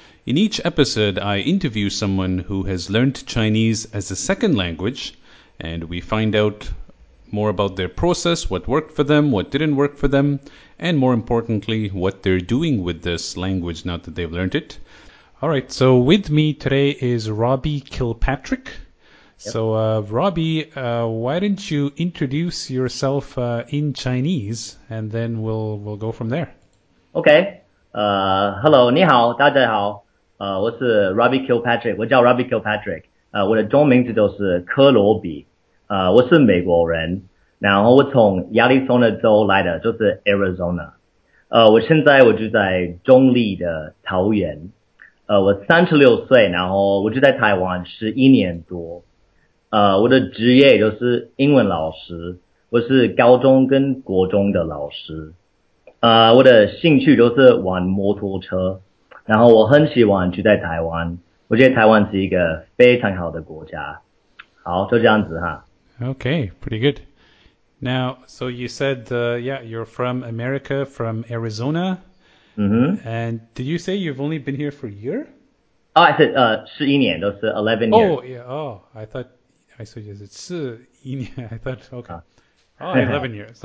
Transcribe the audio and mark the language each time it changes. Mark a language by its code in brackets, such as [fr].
[en] In each episode, I interview someone who has learned Chinese as a second language, and we find out more about their process, what worked for them, what didn't work for them, and more importantly, what they're doing with this language now that they've learned it. All right, so with me today is Robbie Kilpatrick. Yep. So, Robbie, why don't you introduce yourself in Chinese, and then we'll go from there. Okay. Hello, [zh] 你好，大家好。我是 Robbie Kilpatrick, 我叫 Robbie Kilpatrick. 我的中文名字就是科罗比。我是美国人，然后我从亚利桑那州来的，就是 Arizona。我现在我住在中立的桃园。我36岁，然后我就在台湾11年多。我的职业就是英文老师，我是高中跟国中的老师。我的兴趣就是玩摩托车，然后我很喜欢住在台湾，我觉得台湾是一个非常好的国家。好，就这样子哈。 [en] Okay, pretty good. Now, so you said, you're from America, from Arizona. Mm-hmm. And did you say you've only been here for a year? Oh, I said 11 年, that's 11 years. Oh, yeah. Oh, I thought 11 years.